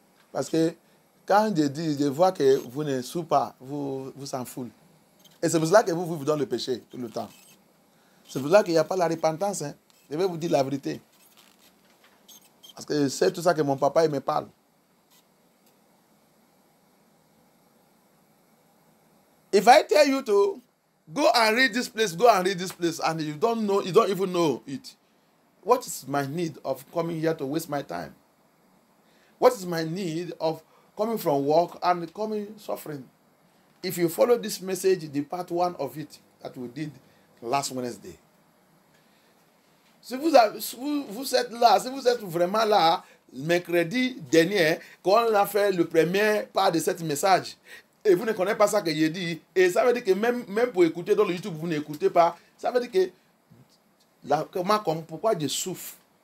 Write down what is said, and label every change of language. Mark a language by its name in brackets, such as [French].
[French] Parce que quand je dis, je vois que vous ne souffrez pas, vous s'en foutez. Et c'est pour cela que vous vivez dans le péché tout le temps. C'est pour cela qu'il n'y a pas la repentance. Hein. Je vais vous dire la vérité. Parce que c'est tout ça que mon papa il me parle. [English] If I tell you to go and read this place, go and read this place, and you don't know, you don't even know it, what is my need of coming here to waste my time? What is my need of coming from work and coming suffering. If you follow this message, the part one of it that we did last Wednesday. [French] Si vous, vous êtes là, si vous êtes vraiment là, mercredi dernier, quand on a fait le premier part de cet message, et vous ne connaissez pas ça que j'ai dit, et ça veut dire que même pour écouter dans le YouTube, vous n'écoutez pas, ça veut dire que, là, comment, pourquoi je souffre?